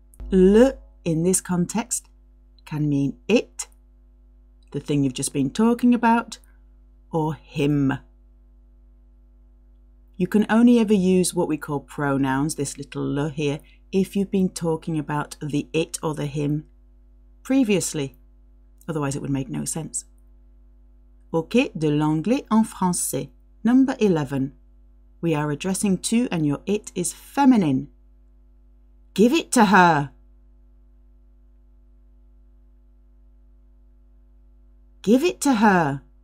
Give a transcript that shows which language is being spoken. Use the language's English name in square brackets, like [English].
[English] Le in this context can mean it, the thing you've just been talking about, or him. You can only ever use what we call pronouns, this little le here, if you've been talking about the it or the him previously. Otherwise it would make no sense. [French] Ok, de l'anglais en français. [English] Number 11. We are addressing to and your it is feminine. Give it to her! Give it to her!